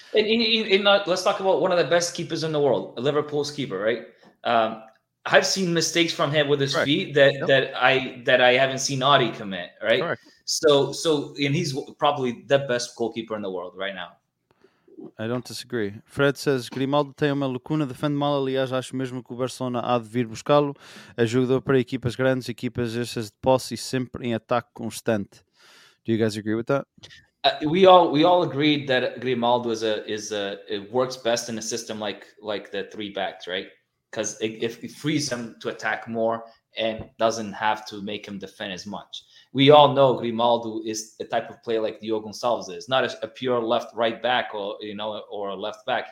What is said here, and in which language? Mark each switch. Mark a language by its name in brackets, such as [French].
[English] Let's talk about one of the best keepers in the world, Liverpool's keeper, right? I've seen mistakes from him with his Correct. Feet that I haven't seen Audi commit, right? Correct. So, and he's probably the best goalkeeper in the world right now. I don't disagree. [Portuguese] Fred says, Grimaldo tem uma lacuna, defende mal, aliás, acho mesmo que o Barcelona há de vir buscá-lo. É jogador para equipas grandes, equipas estas de posse e sempre em ataque constante. [English] Do you guys agree with that? We all agreed that Grimaldo it works best in a system like the three backs, right? Because it frees him to attack more and doesn't have to make him defend as much. We all know Grimaldo is a type of player like Diogo Gonçalves is, not a pure left right back or a left back.